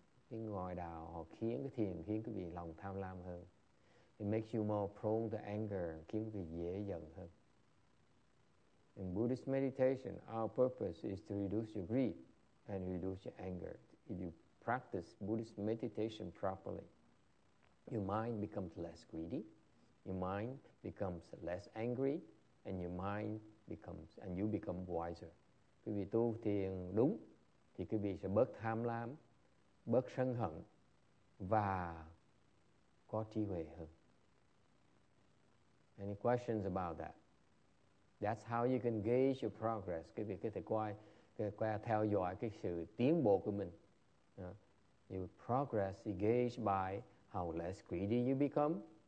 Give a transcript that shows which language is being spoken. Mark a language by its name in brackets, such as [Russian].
[Vietnamese] Cái ngoại đạo họ khiến cái thiền khiến quý vị lòng tham lam hơn. [English] It makes you more prone to anger, [Vietnamese] khiến quý vị dễ giận hơn. [English] In Buddhist meditation, our purpose is to reduce your greed and reduce your anger. If you practice Buddhist meditation properly, your mind becomes less greedy, your mind becomes less angry, and your mind becomes and you become wiser. [Vietnamese] Quý vị tu thiền đúng thì quý vị sẽ bớt tham lam, bớt sân hận và có trí huệ hơn. [English] Any questions about that? That's how you can gauge your progress. [Vietnamese] Quý vị có thể coi theo dõi cái sự tiến bộ của mình. [English] Your progress is gauged by how less greedy you become.